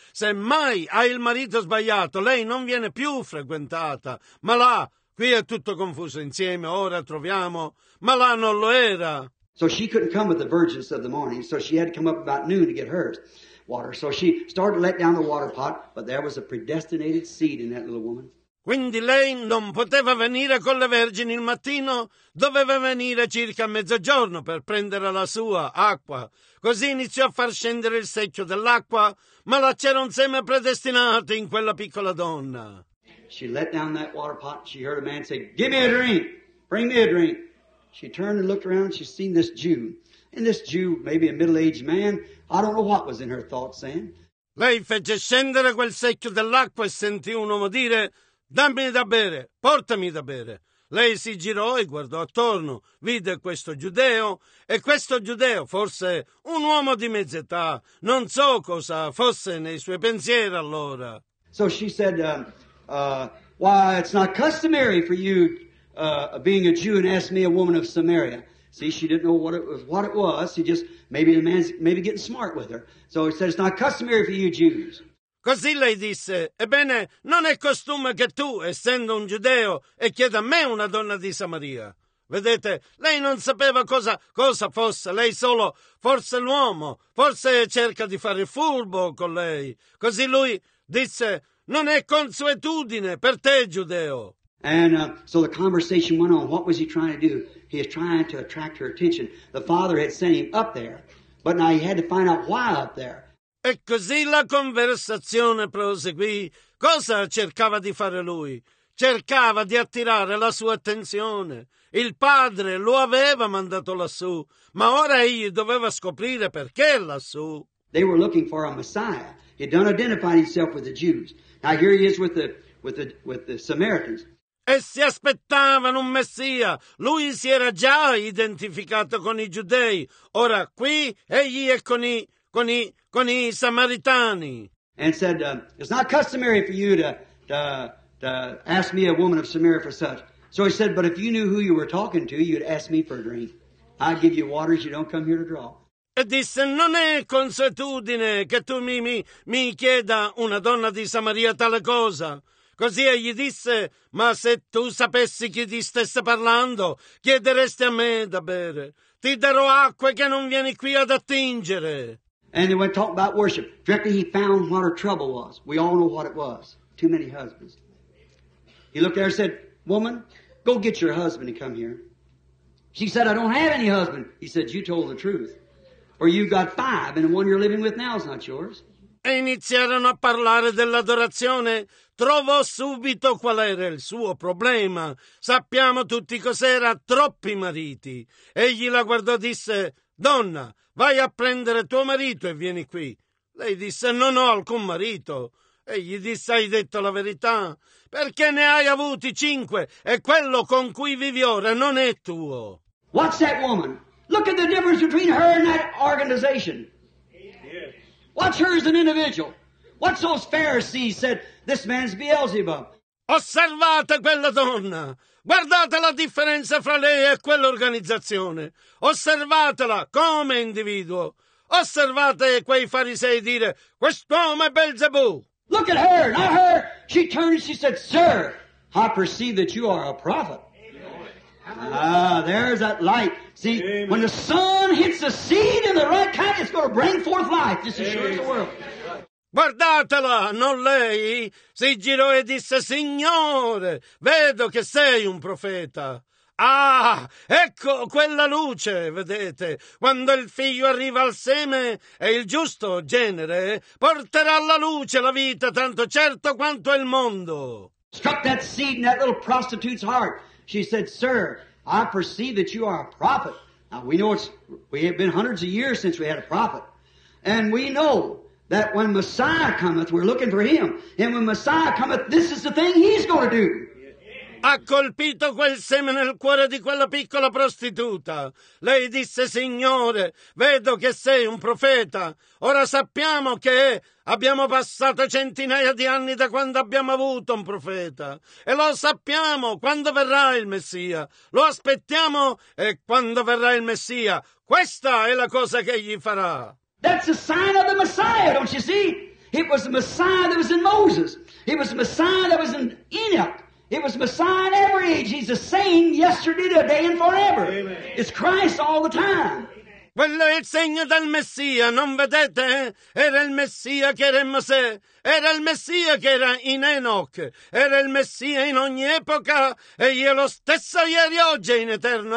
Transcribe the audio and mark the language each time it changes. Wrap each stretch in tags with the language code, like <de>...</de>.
<it>Se mai ha il marito sbagliato, lei non viene più frequentata. Ma là... qui è tutto confuso insieme, ora troviamo, ma là non lo era.</it> <en>So she couldn't come with the virgins of the morning, so she had to come up about noon to get hers water. So she started to let down the water pot, but there was a predestinated seed in that little woman.</en> <it>Quindi lei non poteva venire con le vergini il mattino, doveva venire circa a mezzogiorno per prendere la sua acqua. Così iniziò a far scendere il secchio dell'acqua, ma là c'era un seme predestinato in quella piccola donna.</it> <en>She let down that water pot and she heard a man say, "Give me a drink. Bring me a drink." She turned and looked around and she seen this Jew. And this Jew, maybe a middle-aged man, I don't know what was in her thoughts then.</en> <it>Lei fece scendere quel secchio dell'acqua e sentì un uomo dire, "Dammi da bere, portami da bere." Lei si girò e guardò attorno, vide questo giudeo, e questo giudeo, forse un uomo di mezza età, non so cosa fosse nei suoi pensieri allora.</it> <en>So she said, "Why, it's not customary for you, being a Jew, and ask me a woman of Samaria." See, she didn't know what it was. She just, maybe the man's maybe getting smart with her. So he said, "It's not customary for you Jews."</en> <it>Così lei disse, "Ebbene, non è costume che tu, essendo un giudeo, e chieda a me una donna di Samaria." Vedete, lei non sapeva cosa fosse, lei solo, forse l'uomo, forse cerca di fare furbo con lei. Così lui... disse, non è consuetudine per te, giudeo.</it> <en>And so the conversation went on. What was he trying to do? He was trying to attract her attention. The father had sent him up there, but now he had to find out why up there.</en> <it>E così la conversazione proseguì. Cosa cercava di fare lui? Cercava di attirare la sua attenzione. Il padre lo aveva mandato lassù, ma ora egli doveva scoprire perché lassù.</it> <en>They were looking for a Messiah. He had identified himself with the Jews. Now here he is with the Samaritans.</en> <it>E si aspettavano un Messia. Lui si era già identificato con i giudei. Ora qui egli è con i samaritani.</it> <en>And said, it's not customary for you to ask me, a woman of Samaria, for such. So he said, but if you knew who you were talking to, you'd ask me for a drink. I'd give you water, you don't come here to draw.</en> <it>E disse, non è consuetudine che tu mi chieda una donna di Samaria tale cosa. Così egli disse, ma se tu sapessi chi ti stesse parlando, chiederesti a me da bere. Ti darò acqua che non vieni qui ad attingere.</it> <en>And they went talking about worship. Directly he found what her trouble was. We all know what it was. Too many husbands. He looked at her and said, woman, go get your husband and come here. She said, I don't have any husband. He said, you told the truth. Or you've got five, and the one you're living with now is not yours.</en> <it>E iniziarono a parlare dell'adorazione. Trovò subito qual era il suo problema. Sappiamo tutti cos'era. Troppi mariti. Egli la guardò e disse, donna, vai a prendere tuo marito e vieni qui. Lei disse, non ho alcun marito. Egli disse, hai detto la verità. Perché ne hai avuti cinque e quello con cui vivi ora non è tuo.</it> <en>What's that woman? Look at the difference between her and that organization. What's her as an individual? What's those Pharisees said, this man's Beelzebub?</en> <it>Osservate quella donna. Guardate la differenza fra lei e quell'organizzazione. Osservatela come individuo. Osservate quei farisei dire, quest'uomo è Belzebù.</it> <en>Look at her, not her. She turned and she said, sir, I perceive that you are a prophet. Ah, there's that light. See, Amen. When the sun hits the seed in the right kind, it's going to bring forth life. This is sure as the world.</en> <it>Guardatela, non lei, si girò e disse, Signore, vedo che sei un profeta. Ah, ecco quella luce, vedete, quando il figlio arriva al seme e il giusto genere porterà alla luce la vita tanto certo quanto il mondo.</it> <en>Struck that seed in that little prostitute's heart. She said, sir, I perceive that you are a prophet. Now, we know we have been hundreds of years since we had a prophet, and we know that when Messiah cometh, we're looking for him. And when Messiah cometh, this is the thing he's going to do.</en> <it>Ha colpito quel seme nel cuore di quella piccola prostituta. Lei disse, Signore, vedo che sei un profeta. Ora sappiamo che abbiamo passato centinaia di anni da quando abbiamo avuto un profeta. E lo sappiamo quando verrà il Messia. Lo aspettiamo e quando verrà il Messia. Questa è la cosa che gli farà.</it> <en>That's a sign of the Messiah, don't you see? It was the Messiah that was in Moses. It was the Messiah that was in Enoch. It was the Messiah in every age. He's the same yesterday, today, and forever. Amen. It's Christ all the time.</en> <it>Quello è il segno del Messia, non vedete? Era il Messia che era in Mosè. Era il Messia che era in Enoch. Era il Messia in ogni epoca. Egli è lo stesso ieri, oggi, in eterno.</it>